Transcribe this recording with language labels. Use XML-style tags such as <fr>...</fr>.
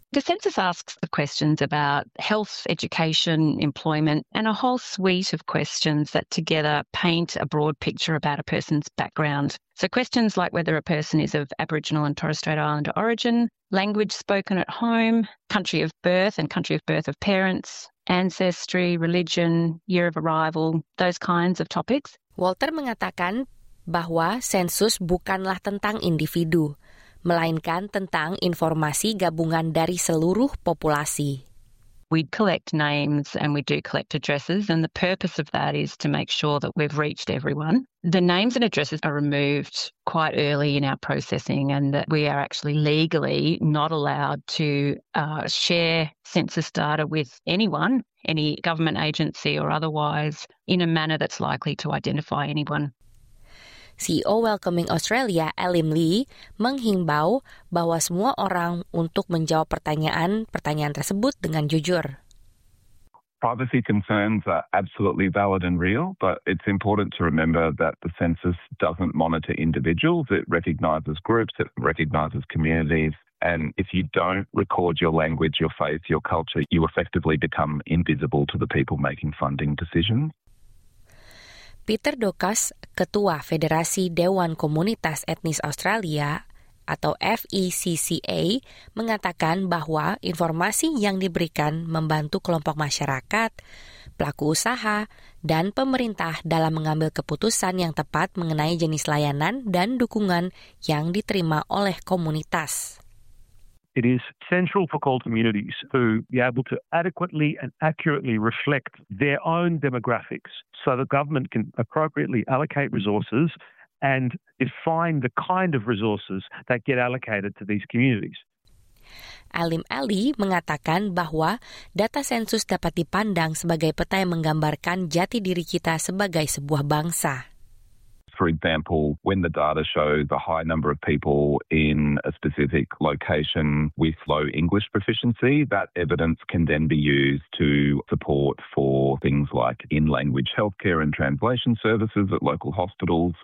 <en>The census asks the questions about health, education, employment, and a whole suite of questions that together paint a broad picture about a person's background. So questions like whether a person is of Aboriginal and Torres Strait Islander origin, language spoken at home, country of birth and country of birth of parents, ancestry, religion, year of arrival, those kinds of topics.</en> <id>Walter mengatakan bahwa sensus bukanlah tentang individu, melainkan tentang informasi gabungan dari seluruh populasi.</id> <en>We collect names and we do collect addresses, and the purpose of that is to make sure that we've reached everyone. The names and addresses are removed quite early in our processing, and that we are actually legally not allowed to share census data with anyone, any government agency or otherwise, in a manner that's likely to identify anyone.</en> <id>CEO Welcoming Australia, Elim Lee, menghimbau bahwa semua orang untuk menjawab pertanyaan-pertanyaan tersebut dengan jujur.</id> <en>Privacy concerns are absolutely valid and real, but it's important to remember that the census doesn't monitor individuals. It recognizes groups, it recognizes communities, and if you don't record your language, your faith, your culture, you effectively become invisible to the people making funding decisions.</en> <id>Peter Dokas, Ketua Federasi Dewan Komunitas Etnis Australia atau FECCA, mengatakan bahwa informasi yang diberikan membantu kelompok masyarakat, pelaku usaha, dan pemerintah dalam mengambil keputusan yang tepat mengenai jenis layanan dan dukungan yang diterima oleh komunitas.</id> <en>It is central for all communities to be able to adequately and accurately reflect their own demographics so the government can appropriately allocate resources and define the kind of resources that get allocated to these communities.</en> <id>Alim Ali mengatakan bahwa data sensus dapat dipandang sebagai peta yang menggambarkan jati diri kita sebagai sebuah bangsa.</id> <en>For example, when the data shows a high number of people in a specific location with low English proficiency, that evidence can then be used to support for things like in-language healthcare and translation services at local hospitals.</en>